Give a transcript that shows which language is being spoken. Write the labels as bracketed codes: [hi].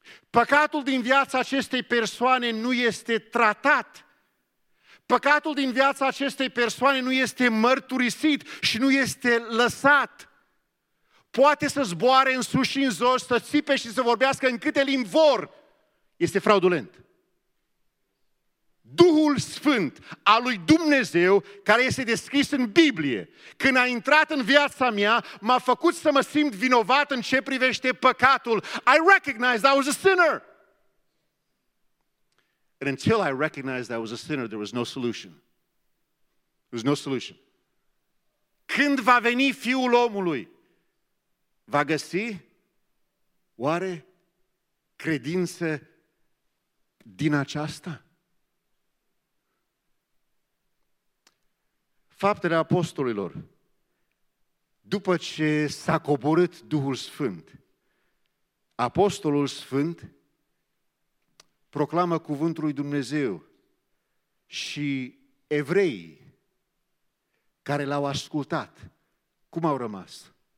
[ro] păcatul din viața acestei persoane nu este tratat, păcatul din viața acestei persoane nu este mărturisit și nu este lăsat, poate să zboare în sus și în jos, să țipe și să vorbească în câte limbi vor, este fraudulent. Duhul Sfânt al lui Dumnezeu, care este descris în Biblie, când a intrat în viața mea, m-a făcut să mă simt vinovat în ce privește păcatul. [en] I recognized I was a sinner. And until I recognized I was a sinner, there was no solution. There was no solution. [ro] Când va veni Fiul omului, va găsi oare credință din aceasta? Faptele Apostolilor, după ce s-a coborât Duhul Sfânt, Apostolul Sfânt proclamă cuvântul lui Dumnezeu și evreii care l-au ascultat, cum au rămas?